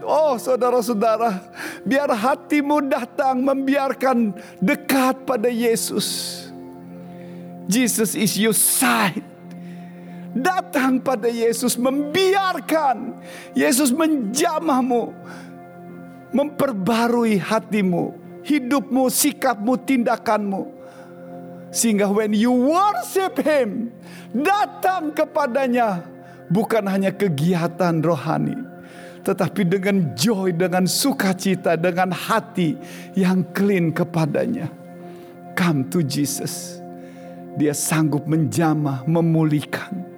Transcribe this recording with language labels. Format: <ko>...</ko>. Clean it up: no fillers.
<id>Oh saudara-saudara, biar hatimu datang membiarkan dekat pada Yesus. Jesus is your side. Datang pada Yesus, membiarkan Yesus menjamahmu, memperbarui hatimu. Hidupmu, sikapmu, tindakanmu.</id> <en>Sehingga when you worship him.</en> <id>Datang kepadanya. Bukan hanya kegiatan rohani. Tetapi dengan joy, dengan sukacita, dengan hati yang clean kepadanya. Come to Jesus. Dia sanggup menjamah, memulihkan.</id>